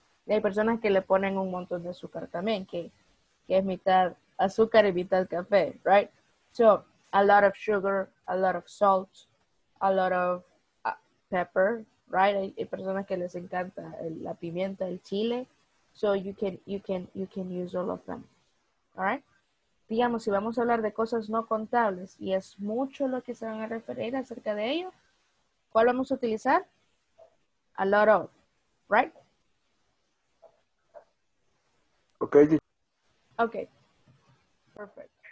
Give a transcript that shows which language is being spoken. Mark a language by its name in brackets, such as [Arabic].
[Spanish] Y hay personas que le ponen un montón de azúcar también, que es mitad azúcar y mitad café, right? [English] So, a lot of sugar, a lot of salt, a lot of pepper, right? [Spanish] Hay personas que les encanta la pimienta, el chile. [English] So, you can use all of them, all right? [Spanish] Digamos, si vamos a hablar de cosas no contables y es mucho lo que se van a referir acerca de ello, ¿cuál vamos a utilizar? [English] A lot of, right? Okay. Okay. Perfect.